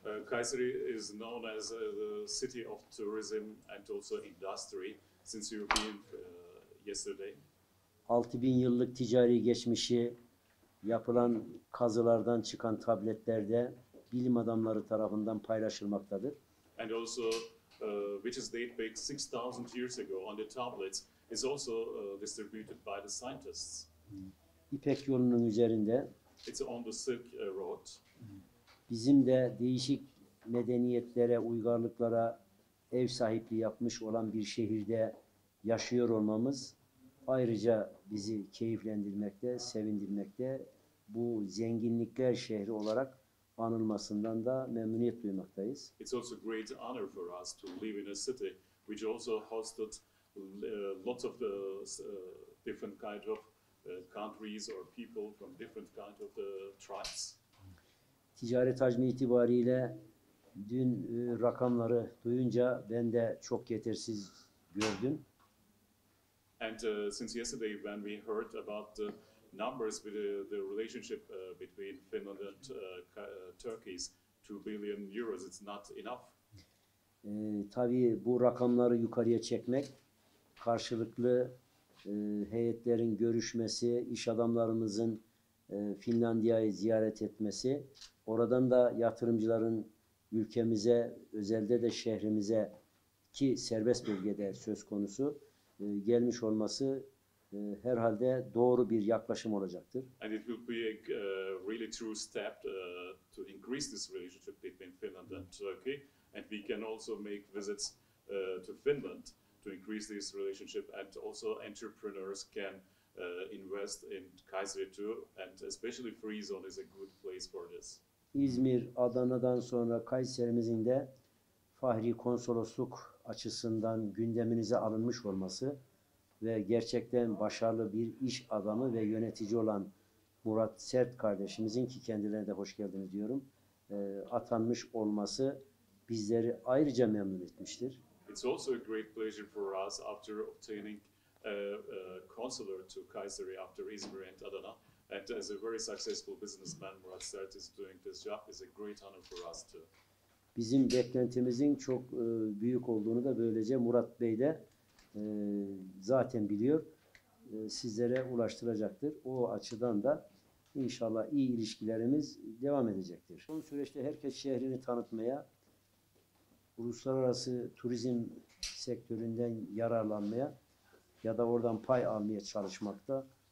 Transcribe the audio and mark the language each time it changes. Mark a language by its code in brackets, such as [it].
[en] Kayseri is known as the city of tourism and also industry since you've been yesterday. [tr] 6000 yıllık ticari geçmişi yapılan kazılardan çıkan tabletlerde bilim adamları tarafından paylaşılmaktadır. [en] And also which is dated back 6000 years ago on the tablets is also distributed by the scientists. [tr] İpek yolunun üzerinde. [en] It's on the Silk Road. [tr] Bizim de değişik medeniyetlere, uygarlıklara ev sahipliği yapmış olan bir şehirde yaşıyor olmamız ayrıca bizi keyiflendirmekte, sevindirmekte, bu zenginlikler şehri olarak anılmasından da memnuniyet duymaktayız. [en] It's also a great honor for us to live in a city which also hosted lots of the different kind of countries or people from different kind of the tribes. [tr] Ticaret hacmi itibariyle dün rakamları duyunca ben de çok yetersiz gördüm. [en] And since yesterday when we heard about the numbers with the relationship between Finland and Turkey's 2 billion euros, it's not enough. [tr] Tabii bu rakamları yukarıya çekmek, karşılıklı heyetlerin görüşmesi, iş adamlarımızın Finlandiya'yı ziyaret etmesi, oradan da yatırımcıların ülkemize, özellikle de şehrimize ki serbest bölgede söz konusu gelmiş olması herhalde doğru bir yaklaşım olacaktır. [en] And it will be a really true step to increase this relationship between Finland and Turkey, and we can also make visits to Finland to increase this relationship, and also entrepreneurs can invest in Kayseri too, and especially Free Zone is a good place for this. [tr] İzmir, Adana'dan sonra Kayseri'mizin de Fahri Konsolosluk açısından gündeminize alınmış olması ve gerçekten başarılı bir iş adamı ve yönetici olan Murat Sert kardeşimizin ki kendilerine de hoş geldiniz diyorum, atanmış olması bizleri ayrıca memnun etmiştir. [en] It's also a great pleasure for us after obtaining a consular to Kayseri after İzmir and Adana, and as a very successful businessman Murat Sert is doing this job is a great honor for us too. [tr] Bizim beklentimizin çok büyük olduğunu da böylece Murat Bey de zaten biliyor, sizlere ulaştıracaktır. O açıdan da inşallah iyi ilişkilerimiz devam edecektir. Son süreçte herkes şehrini tanıtmaya, uluslararası turizm sektöründen yararlanmaya ya da oradan pay almaya çalışmakta.